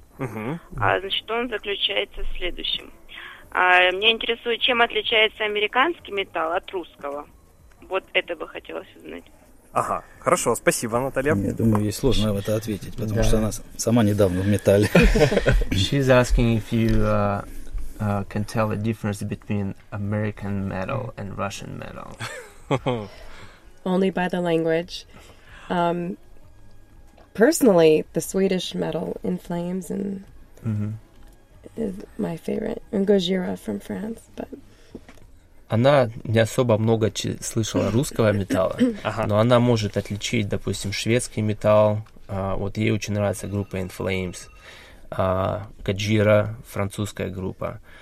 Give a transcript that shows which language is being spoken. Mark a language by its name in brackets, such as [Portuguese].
[Russian] Угу. Значит, он заключается в следующем. Меня интересует, чем отличается американский металл от русского. Вот это бы хотелось узнать. Ага, хорошо, спасибо, Наталья. Я думаю, ей сложно в это ответить, потому что она сама недавно в металле. [English] She's asking if you can tell the difference between American metal and Russian metal. Only by the language. Personally, the Swedish metal in flames and is my favorite. And Gojira from France, but... [Russian] Она не особо много слышала русского металла, но она может отличить, допустим, шведский металл. Вот ей очень нравится группа In Flames, Gojira, французская группа.